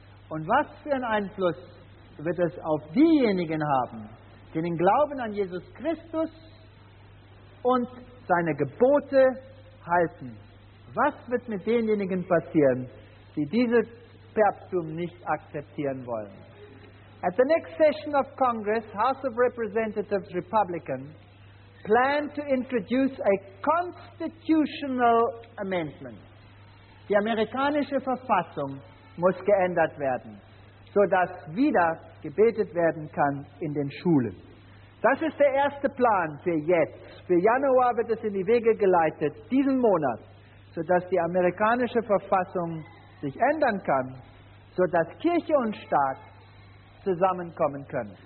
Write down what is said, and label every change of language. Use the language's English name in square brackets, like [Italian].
[German] Und was für einen Einfluss wird es auf diejenigen haben, die den Glauben an Jesus Christus und seine Gebote halten? Was wird mit denjenigen passieren, die dieses Papsttum nicht akzeptieren wollen? [English] At the next session of Congress, House of Representatives Republicans plan to introduce a constitutional amendment. [German] Die amerikanische Verfassung muss geändert werden, sodass wieder gebetet werden kann in den Schulen. Das ist der erste Plan für jetzt. Für Januar wird es in die Wege geleitet, diesen Monat, sodass die amerikanische Verfassung sich ändern kann, sodass Kirche und Staat zusammenkommen können.